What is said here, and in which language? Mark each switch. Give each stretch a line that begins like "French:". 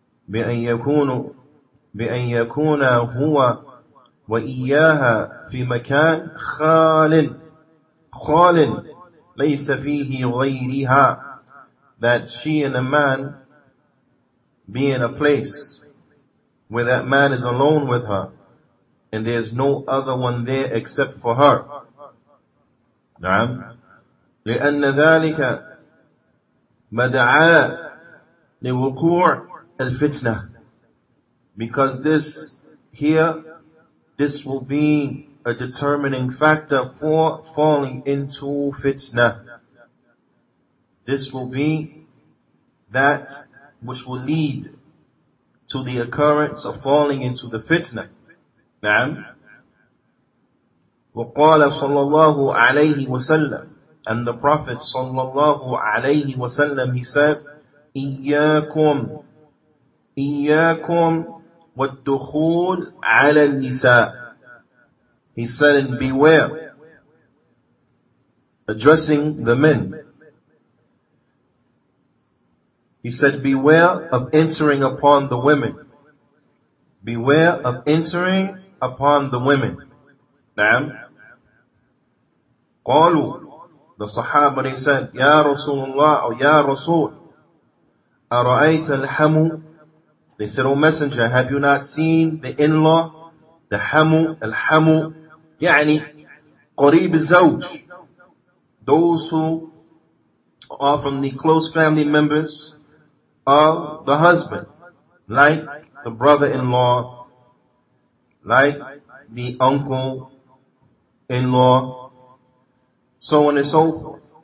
Arabic: بِأَنْ يَكُونَ هُوَ وَإِيَّاهَا فِي مَكَانٍ خَالٍ خَالٍ لَيْسَ فِيهِ غَيْرِهَا.
English: That she and a man be in a place where that man is alone with her, and there's no other one there except for her.
Arabic: نعم. لأن ذلك مدعاة لوقوع الفتنة.
English: Because this here, this will be a determining factor for falling into fitna. This will be that which will lead to the occurrence of falling into the fitna.
Arabic: نعم. وقال صلى الله عليه وسلم,
English: and the Prophet
Arabic: صلى الله عليه وسلم,
English: he said,
Arabic: إياكم إياكم والدخول على النساء.
English: He said, and beware, addressing the men, he said, beware of entering upon the women. Beware of entering upon the women.
Arabic: نعم. قالوا,
English: the Sahaba, they said,
Arabic: يا رسول الله, يا رسول, أَرَأَيْتَ الْحَمُ
English: They said, O Messenger, have you not seen the in-law? The Hamu, Al-Hamu,
Arabic: يعني قريب الزوج.
English: Those who are from the close family members of the husband, like the brother-in-law, like the uncle-in-law, so on and so forth.